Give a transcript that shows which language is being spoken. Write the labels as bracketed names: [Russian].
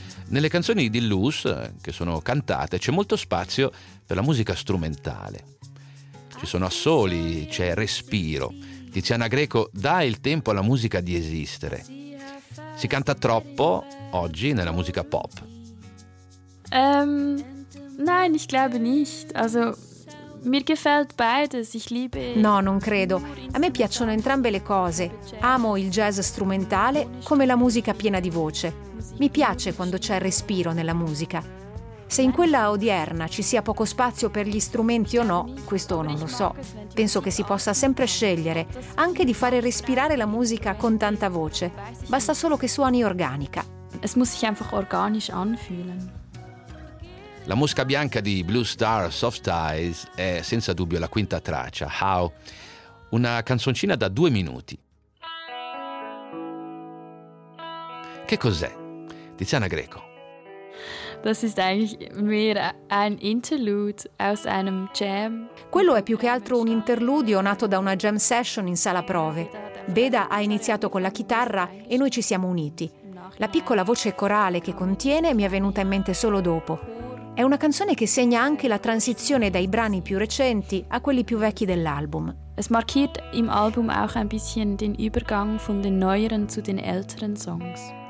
[Italian] Nelle canzoni di Luz, che sono cantate, c'è molto spazio per la musica strumentale. Ci sono assoli, c'è respiro. Tiziana Greco dà il tempo alla musica di esistere. Si canta troppo oggi nella musica pop? [German] Nein, ich glaube nicht. Also, mir gefällt beides. Ich liebe. [Italian] No, non credo. A me piacciono entrambe le cose. Amo il jazz strumentale come la musica piena di voce. Mi piace quando c'è respiro nella musica. Se in quella odierna ci sia poco spazio per gli strumenti o no, questo non lo so. Penso che si possa sempre scegliere, anche di fare respirare la musica con tanta voce. Basta solo che suoni organica. [German] Es muss sich einfach organisch anfühlen. [Italian] La mosca bianca di Blue Star Soft Eyes è senza dubbio la quinta traccia, How, una canzoncina da 2 minuti. Che cos'è? Tiziana Greco. [German] Das ist eigentlich mehr ein Interlude aus einem Jam. [Italian] Quello è più che altro un interludio nato da una jam session in sala prove. Beda ha iniziato con la chitarra e noi ci siamo uniti. La piccola voce corale che contiene mi è venuta in mente solo dopo. È una canzone che segna anche la transizione dai brani più recenti a quelli più vecchi dell'album. [German] Es markiert im Album auch ein bisschen den Übergang von den neueren zu den älteren Songs.